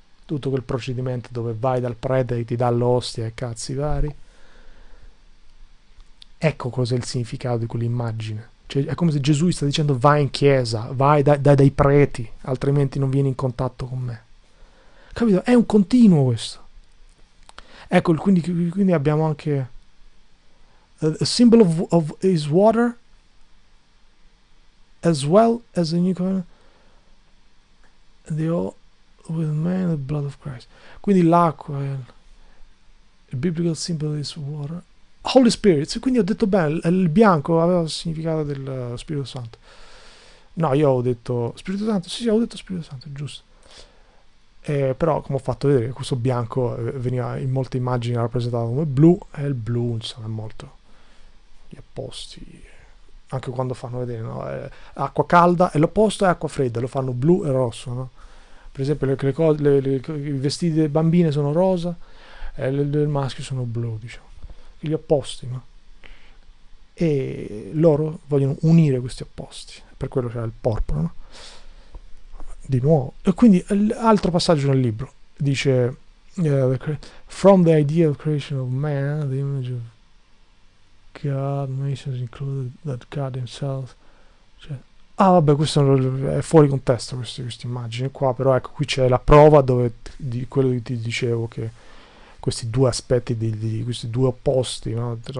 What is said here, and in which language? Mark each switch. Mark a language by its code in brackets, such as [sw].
[it] Tutto quel procedimento dove vai dal prete e ti dà l'ostia e cazzi vari. Ecco cos'è il significato di quell'immagine. Cioè, è come se Gesù sta dicendo vai in chiesa, vai dai preti, altrimenti non vieni in contatto con me. Capito? È un continuo questo. Ecco, quindi abbiamo anche [en] a symbol of his water as well as a new covenant. With man, the blood of Christ. [it] Quindi l'acqua, il [en] biblical symbol is water. Holy Spirit. [it] Quindi ho detto bene, il bianco aveva il significato dello Spirito Santo. No, io ho detto Spirito Santo. Sì, ho detto Spirito Santo, giusto. Però, come ho fatto vedere, questo bianco veniva in molte immagini rappresentato come blu, e il blu, insomma, è molto gli opposti. Anche quando fanno vedere, no? Acqua calda e l'opposto è acqua fredda, lo fanno blu e rosso, no? Per esempio, i vestiti delle bambine sono rosa e i maschi sono blu, diciamo. Gli opposti, no? E loro vogliono unire questi opposti. Per quello c'è il porpora, no? Di nuovo. E quindi, altro passaggio nel libro. Dice, [en] From the idea of creation of man, the image of God, nations included that God himself. [it] Ah, vabbè, questo è fuori contesto, queste immagini qua, però ecco, qui c'è la prova di quello che ti dicevo, che questi due aspetti, questi due opposti, no?